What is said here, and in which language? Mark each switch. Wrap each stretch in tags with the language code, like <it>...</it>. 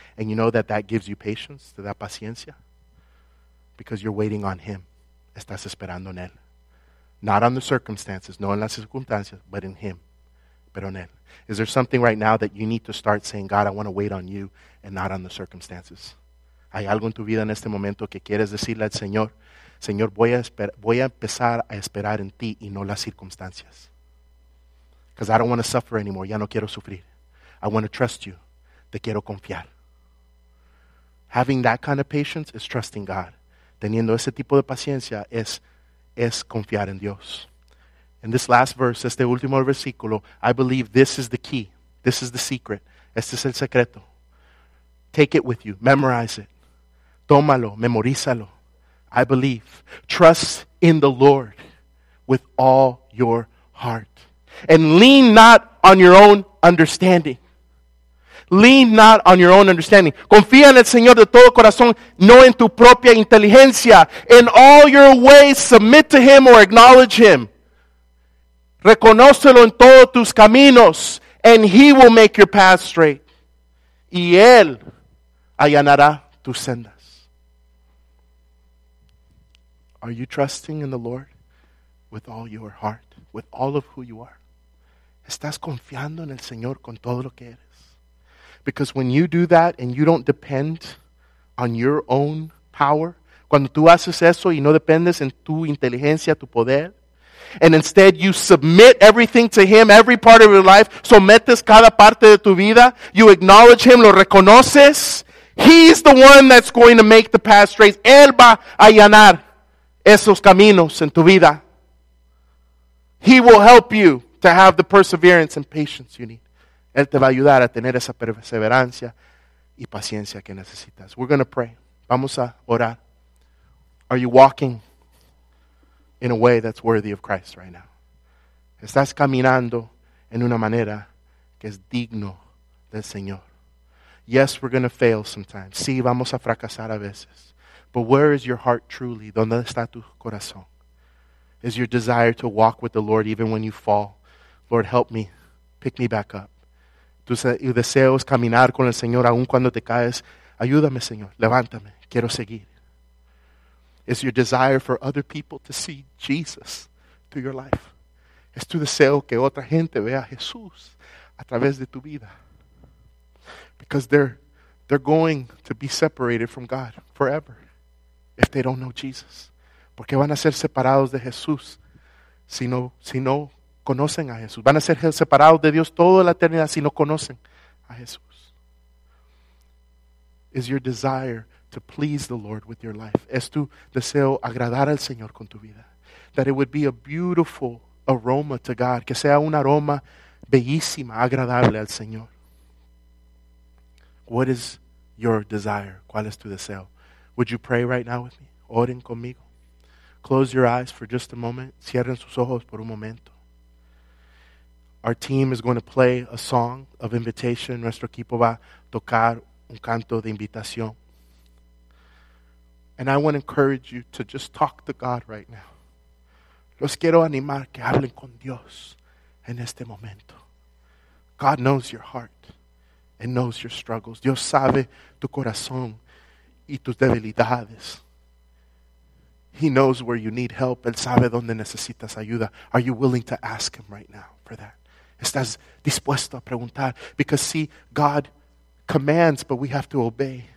<en>And you know that that gives you patience,</en> <es>te da paciencia.</es> <en>Because you're waiting on Him.</en> <es>Estás esperando en Él.</es> <en>Not on the circumstances,</en> <es>no en las circunstancias,</es> <en>but in Him.</en> <es>Pero en Él.</es> <en>Is there something right now that you need to start saying, God, I want to wait on You and not on the circumstances?</en> <es>¿Hay algo en tu vida en este momento que quieres decirle al Señor? Señor, voy a empezar a esperar en Ti y no las circunstancias.</es> <en>Because I don't want to suffer anymore.</en> <es>Ya no quiero sufrir.</es> <en>I want to trust You.</en> <es>Te quiero confiar.</es> <en>Having that kind of patience is trusting God.</en> <es>Teniendo ese tipo de paciencia es confiar en Dios.</es> <en>In this last verse,</en> <es>este último versículo,</es> <en>I believe this is the key. This is the secret.</en> <es>Este es el secreto.</es> <en>Take it with you. Memorize it.</en> <es>Tómalo. Memorízalo.</es> <en>I believe. Trust in the Lord with all your heart. And lean not on your own understanding. Lean not on your own understanding.</en> <es>Confía en el Señor de todo corazón, no en tu propia inteligencia.</es> <en>In all your ways, submit to Him or acknowledge Him.</en> <es>Reconócelo en todos tus caminos,</es> <en>and He will make your path straight.</en> <es>Y Él allanará tus sendas.</es> <en>Are you trusting in the Lord with all your heart, with all of who you are?</en> <es>¿Estás confiando en el Señor con todo lo que eres?</es> <en>Because when you do that and you don't depend on your own power,</en> <es>cuando tú haces eso y no dependes en tu inteligencia, tu poder,</es> <en>and instead you submit everything to Him, every part of your life, sometes</en> <es>cada parte de tu vida,</es> <en>you acknowledge Him,</en> <es>lo reconoces,</es> <en>He's the one that's going to make the path straight.</en> <es>Él va a allanar esos caminos en tu vida.</es> <en>He will help you to have the perseverance and patience you need.</en> <es>Él te va a ayudar a tener esa perseverancia y paciencia que necesitas.</es> <en>We're going to pray.</en> <es>Vamos a orar.</es> <en>Are you walking in a way that's worthy of Christ right now?</en> <es>¿Estás caminando en una manera que es digno del Señor?</es> <en>Yes, we're going to fail sometimes.</en> <es>Sí, vamos a fracasar a veces.</es> <en>But where is your heart truly?</en> <es>¿Dónde está tu corazón?</es> <en>Is your desire to walk with the Lord even when you fall? Lord, help me. Pick me back up.</en> <es>¿Tu deseo es caminar con el Señor aun cuando te caes? Ayúdame, Señor. Levántame. Quiero seguir.</es> <en>Is your desire for other people to see Jesus through your life?</en> <es>¿Es tu deseo que otra gente vea a Jesús a través de tu vida?</es> <en>Because they're going to be separated from God forever. If they don't know Jesus.</en> <es>¿Por qué van a ser separados de Jesús si no conocen a Jesús? Van a ser separados de Dios toda la eternidad si no conocen a Jesús.</es> <en>Is your desire to please the Lord with your life?</en> <es>Es tu deseo agradar al Señor con tu vida.</es> <en>That it would be a beautiful aroma to God.</en> <es>Que sea un aroma bellísima, agradable al Señor.</es> <en>What is your desire?</en> <es>¿Cuál es tu deseo?</es> <en>Would you pray right now with me?</en> <es>Oren conmigo.</es> <en>Close your eyes for just a moment.</en> <es>Cierren sus ojos por un momento.</es> <en>Our team is going to play a song of invitation.</en> <es>Nuestro equipo va a tocar un canto de invitación.</es> <en>And I want to encourage you to just talk to God right now.</en> <es>Los quiero animar que hablen con Dios en este momento.</es> <en>God knows your heart and knows your struggles.</en> <es>Dios sabe tu corazón y tus debilidades.</es> <en>He knows where you need help.</en> <es>Él sabe dónde necesitas ayuda.</es> <en>Are you willing to ask him right now for that?</en> <es>¿Estás dispuesto a preguntar?</es> <en>Because see, God commands, but we have to obey.</en>